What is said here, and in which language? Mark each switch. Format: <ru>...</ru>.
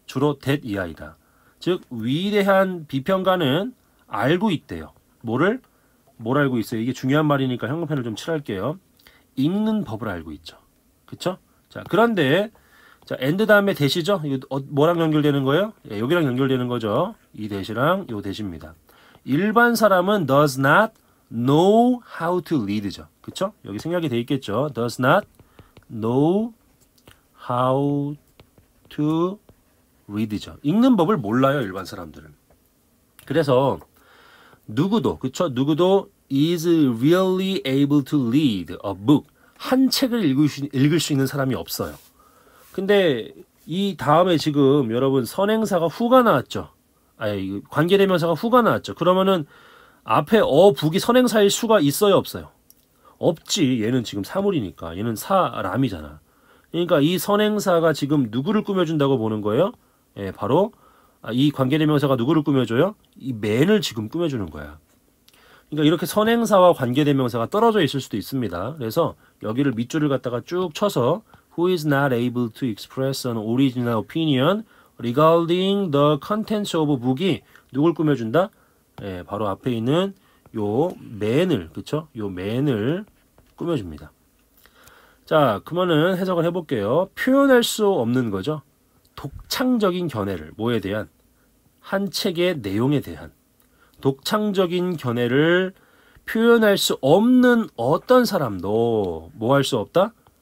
<ko>주로 that 이하이다. 즉, 위대한 비평가는 알고 있대요. 뭐를? 뭘 알고 있어요? 이게 중요한 말이니까 형광펜을 좀 칠할게요. 읽는 법을 알고 있죠. 그쵸? 자, 그런데, 자, end 다음에 대시죠? 이거 뭐랑 연결되는 거예요? 예, 여기랑 연결되는 거죠. 이 대시랑 요 대시입니다. 일반 사람은</ko> <en>does not know how to lead죠.</en> <ko>그쵸? 여기 생략이 되어 있겠죠.</ko> <en>does not know how to read죠.</en> <ko>읽는 법을 몰라요, 일반 사람들은. 그래서 누구도, 그쵸? 누구도</ko> <en>is really able to read a book.</en> <ko>한 책을 읽을 수 있는 사람이 없어요. 근데 이 다음에 지금 여러분 선행사가 후가 나왔죠. 아니, 관계대명사가 후가 나왔죠. 그러면은 앞에 북이 선행사일 수가 있어요, 없어요? 없지. 얘는 지금 사물이니까. 얘는 사람이잖아. 그러니까 이 선행사가 지금 누구를 꾸며준다고 보는 거예요? 예, 바로 이 관계대명사가 누구를 꾸며줘요? 이 맨을 지금 꾸며주는 거야. 그러니까 이렇게 선행사와 관계대명사가 떨어져 있을 수도 있습니다. 그래서 여기를 밑줄을 갖다가 쭉 쳐서</ko> <en>Who is not able to express an original opinion regarding the contents of a book이</en> <ko>누굴 꾸며준다? 예, 바로 앞에 있는 요 맨을, 그쵸? 요 맨을 꾸며줍니다. 자, 그러면은 해석을 해볼게요. 표현할 수 없는 거죠. 독창적인 견해를, 뭐에 대한? 한 책의 내용에 대한 독창적인 견해를 표현할 수 없는 어떤 사람도 뭐 할 수 없다?</ko>